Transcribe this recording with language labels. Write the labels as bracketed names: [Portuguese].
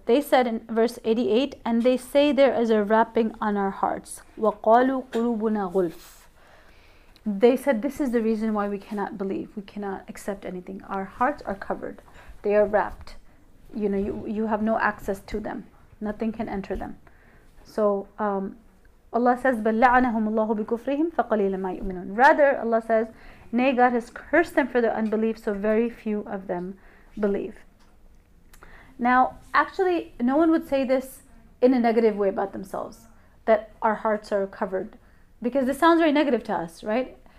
[English] They said in verse 88, and they say there is a wrapping on our hearts. [Arabic] وَقَالُوا قُلُوبُنَا غُلْفٌ. [English] They said this is the reason why we cannot believe, we cannot accept anything. Our hearts are covered, they are wrapped. You know, you have no access to them. Nothing can enter them. So Allah says, [Arabic] بَلَّعَنَهُمُ اللَّهُ بِكُفْرِهِمْ فَقَلِيلًا مَا يُؤْمِنُونَ. [English] Rather, Allah says, nay, God has cursed them for their unbelief, so very few of them believe. Now, actually, no one would say this in a negative way about themselves, that our hearts are covered, because this sounds very negative to us, right?